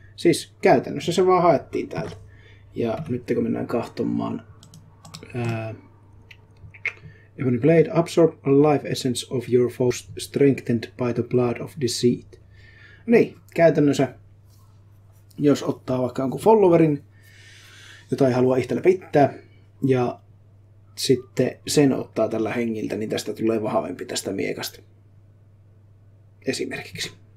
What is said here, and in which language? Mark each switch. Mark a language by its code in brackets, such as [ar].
[fi] Siis käytännössä se vaan haettiin täältä. Ja nyt kun mennään kahtomaan. [en] Ebony Blade, absorb a life essence of your foes strengthened by the blood of deceit. [fi] Niin, käytännössä, jos ottaa vaikka jonkun followerin, jota ei halua itsellä pitää, ja sitten sen ottaa tällä hengiltä, niin tästä tulee vahvempi tästä miekasta. Esimerkiksi.